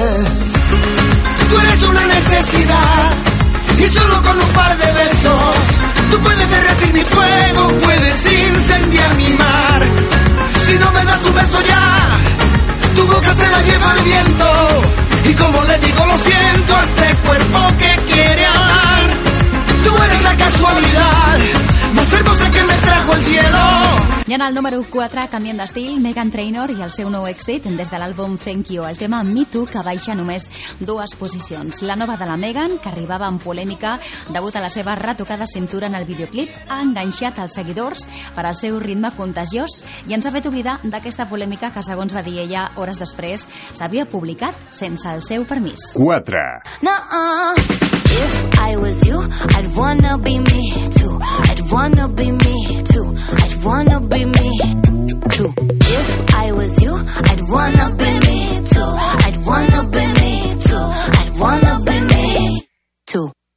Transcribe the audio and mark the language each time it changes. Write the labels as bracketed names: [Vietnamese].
[Spanish] Tú eres una necesidad y solo con un par de besos tú puedes derretir mi fuego, puedes incendiar mi mar. Si no me das un beso ya, tu boca se la lleva el viento. Y como le digo lo siento a este cuerpo que quiere hablar. Tú eres la casualidad más hermosa que me trajo el cielo. [Catalan] I en el número 4, canviant d'estil, Meghan Trainor i el seu nou èxit des de l'àlbum Thank You, el tema Me Too, que baixa només dues posicions. La nova de la Meghan, que arribava en polèmica degut a la seva retocada cintura en el videoclip, ha enganxat els seguidors per al seu ritme contagiós i ens ha fet oblidar d'aquesta polèmica que, segons va dir ella, hores després s'havia publicat sense el seu permís. 4. [English] No, if I was you, I'd wanna be me too. I'd wanna be me too. I'd wanna be me too. If I was you, I'd wanna be me too. I'd wanna be me too. I'd wanna be me too.